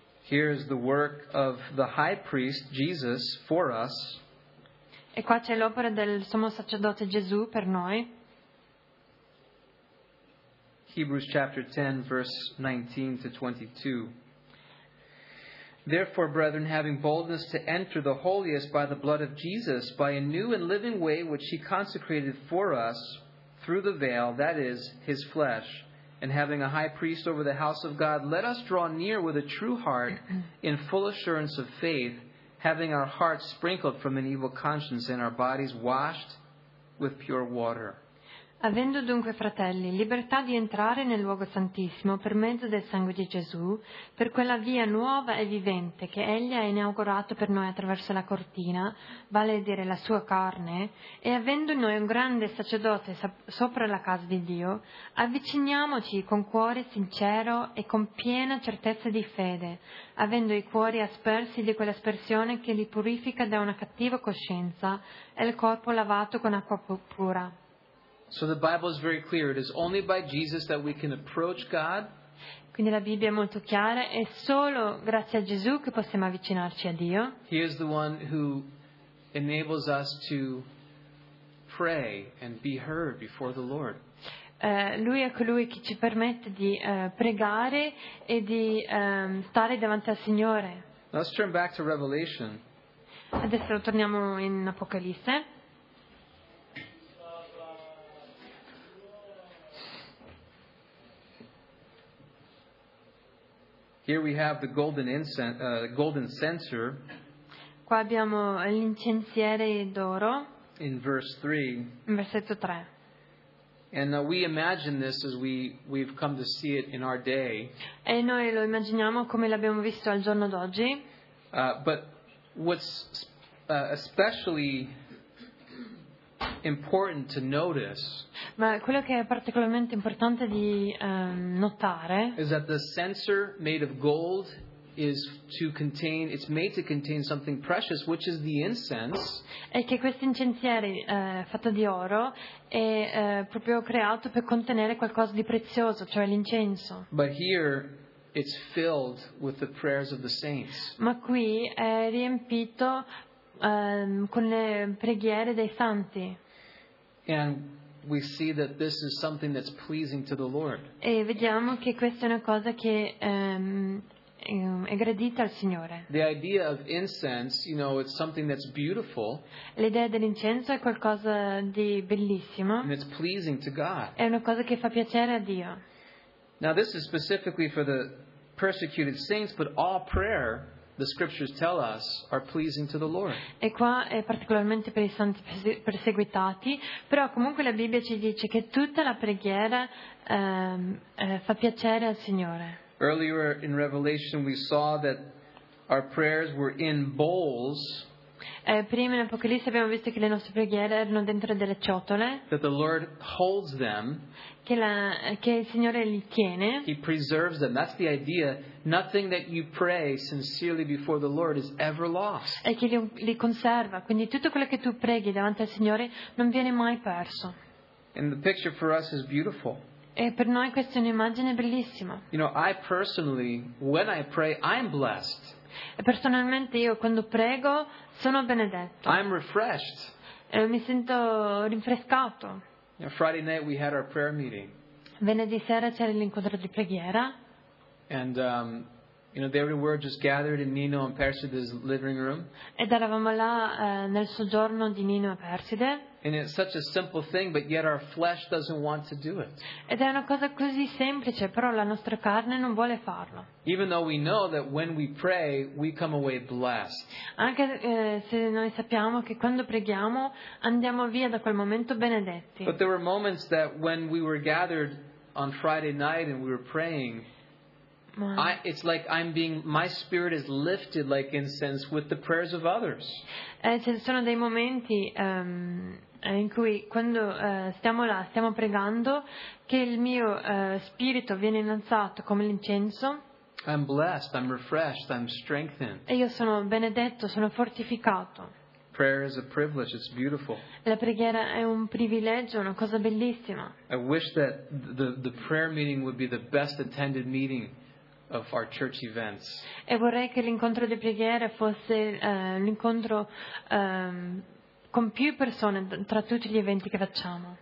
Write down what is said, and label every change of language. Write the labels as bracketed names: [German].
[English] Here is the work of the high priest Jesus for us. [Italian] E qua c'è l'opera del sommo sacerdote Gesù per noi. [English] Hebrews chapter 10 verse 19 to 22. Therefore, brethren, having boldness to enter the holiest by the blood of Jesus, by a new and living way which he consecrated for us through the veil, that is, his flesh, and having a high priest over the house of God, let us draw near with a true heart in full assurance of faith, having our hearts sprinkled from an evil conscience and our bodies washed with pure water. [Italian] Avendo dunque, fratelli, libertà di entrare nel luogo santissimo per mezzo del sangue di Gesù, per quella via nuova e vivente che Egli ha inaugurato per noi attraverso la cortina, vale a dire la sua carne, e avendo noi un grande sacerdote sopra la casa di Dio, avviciniamoci con cuore sincero e con piena certezza di fede, avendo i cuori aspersi di quell'aspersione che li purifica da una cattiva coscienza e il corpo lavato con acqua pura. [English] So the Bible is very clear. It is only by Jesus that we can approach God. [Italian] Quindi la Bibbia è molto chiara. È solo grazie a Gesù che possiamo avvicinarci a Dio. [English] He is the one who enables us to pray and be heard before the Lord. [Italian] Lui è colui che ci permette di pregare e di stare davanti al Signore. [English] Let's turn back to Revelation. [Italian] Adesso torniamo in Apocalisse. [English] Here we have the golden incense, golden censer. [Italian] Qua abbiamo l'incensiere d'oro. [English] In verse 3. [Italian] In versetto 3. [English] And we imagine this as we've come to see it in our day. [Italian] E noi lo immaginiamo come l'abbiamo visto al giorno d'oggi. [English] But what's especially important to notice. [Italian] Ma quello che è particolarmente importante di notare [English] is that the censer made of gold is to contain, it's made to contain something precious, which is the incense. [Italian] È che questo incensiere fatto di oro è proprio creato per contenere qualcosa di prezioso, cioè l'incenso. [English] But here it's filled with the prayers of the saints. [Italian] Ma qui è riempito con le preghiere dei santi. [English] And we see that this is something that's pleasing to the Lord. [Italian] E vediamo che questa è una cosa che è gradita al Signore. [English] The idea of incense, you know, it's something that's beautiful. [Italian] L'idea dell'incenso è qualcosa di bellissimo. [English] And it's pleasing to God. [Italian] È una cosa che fa piacere a Dio. [English] Now this is specifically for the persecuted saints, but all prayer, the scriptures tell us, are pleasing to the Lord. [Italian] E qua è particolarmente per i santi perseguitati, però comunque la Bibbia ci dice che tutta la preghiera fa piacere al Signore. [English] Earlier in Revelation we saw that our prayers were in bowls. [Italian] Prima in Apocalisse abbiamo visto che le nostre preghiere erano dentro delle ciotole. [English] That the Lord holds them. [Italian] Che il Signore li tiene. [English] He preserves them. That's the idea. Nothing that you pray sincerely before the Lord is ever lost. [Italian] E che li conserva. Quindi tutto quello che tu preghi davanti al Signore non viene mai perso. [English] And the picture for us is beautiful. [Italian] E per noi questa è un'immagine bellissima. [English] You know, I personally, when I pray, I'm blessed. [Italian] E personalmente io quando prego sono benedetto. [English] I'm refreshed. [Italian] Mi sento rinfrescato. [English] Friday night we had our prayer meeting. [Italian] Venerdì sera c'era l'incontro di preghiera. [English] And you know, there we were just gathered in Nino and Perside's living room. [Italian] Ed eravamo là nel soggiorno di Nino e Perside. [English] And it's such a simple thing, but yet our flesh doesn't want to do it. [Italian] Ed è una cosa così semplice, però la nostra carne non vuole farlo. [English] Even though we know that when we pray, we come away blessed. [Italian] Anche se noi sappiamo che quando preghiamo andiamo via da quel momento benedetti. [English] But there were moments that when we were gathered on Friday night and we were praying, it's like my spirit is lifted like incense with the prayers of others. [Italian] Ci sono dei momenti in cui quando stiamo là, stiamo pregando, che il mio spirito viene innalzato come l'incenso. [English] I'm blessed, I'm refreshed, I'm strengthened. [Italian] E io sono benedetto, sono fortificato. [English] Prayer is a privilege, it's beautiful. [Italian] La preghiera è un privilegio, una cosa bellissima. [English] I wish that the prayer meeting would be the best attended meeting of our church events. [Italian] E vorrei che l'incontro di preghiera fosse l'incontro con più persone tra tutti gli eventi che facciamo.